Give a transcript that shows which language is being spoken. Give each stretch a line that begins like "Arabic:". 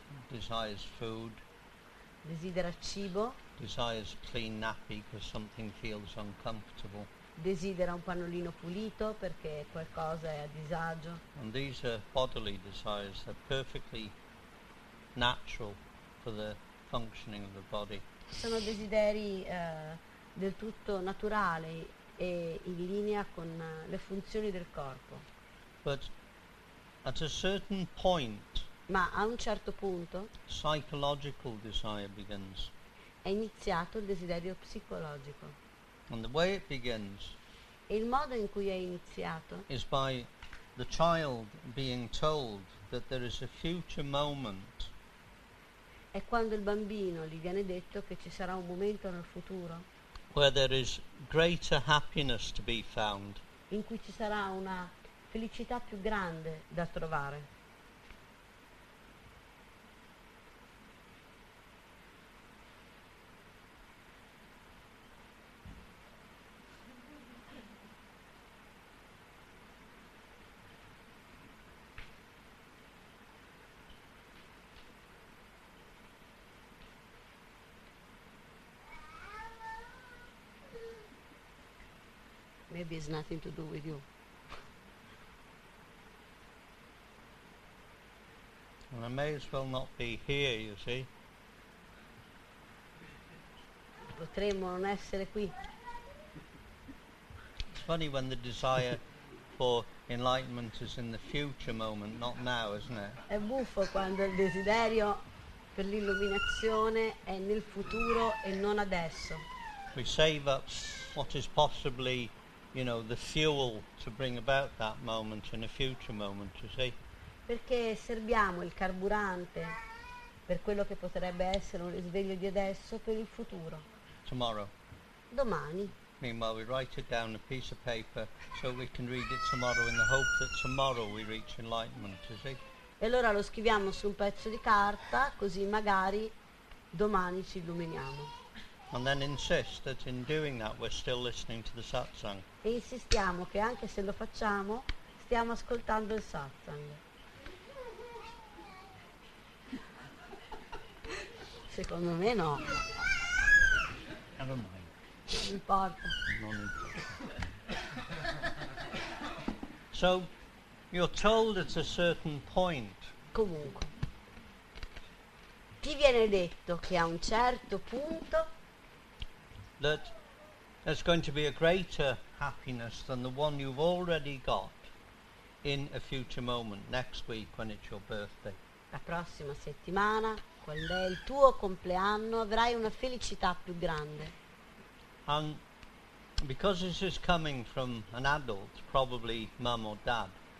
English: Desires food.
Italian: Desidera cibo.
English: Desires clean nappy because something feels uncomfortable.
Italian: Desidera un pannolino pulito perché qualcosa è a disagio.
English: And these are bodily desires. They're perfectly natural for the functioning of the body.
Italian: Sono desideri del tutto naturali e in linea con le funzioni del corpo.
English: But at a certain point,
Italian: ma a un certo punto,
English: psychological desire begins.
Italian: È iniziato il desiderio psicologico.
English: And the way it begins,
Italian: e il modo in cui è iniziato,
English: is by the child being told that there is a future moment.
Italian: È quando il bambino gli viene detto che ci sarà un momento nel futuro,
English: where there is greater happiness to be found.
Italian: In cui ci sarà una felicità più grande da trovare.
English: Maybe it's nothing to do with you. And I may as well not be here, you see.
Italian: Potremmo non essere qui.
English: It's funny when the desire for enlightenment is in the future moment, not now, isn't it?
Italian: È buffo quando il desiderio per l'illuminazione è nel futuro e non adesso.
English: We save up what is possibly, you know, the fuel to bring about that moment in a future moment, you see.
Italian: Perché serviamo il carburante per quello che potrebbe essere un risveglio di adesso per il futuro.
English: Tomorrow.
Italian: Domani.
English: Meanwhile we write it down on a piece of paper so we can read it tomorrow in the hope that tomorrow we reach enlightenment, you see.
Italian: E allora lo scriviamo su un pezzo di carta così magari domani ci illuminiamo.
English: And then insist that in doing that we're still listening to the satsang.
Italian: E insistiamo che anche se lo facciamo stiamo ascoltando il satsang. Secondo me no.
English: Never mind.
Italian: Non importa. Non importa.
English: So you're told at a certain point.
Italian: Comunque. Ti viene detto che a un certo punto
English: that there's going to be a greater happiness than the one you've already got in a future moment, next week when it's your birthday.
Italian: La prossima settimana, quando è il tuo compleanno, avrai una felicità più grande.
English: And because this is coming from an adult, probably mum or dad.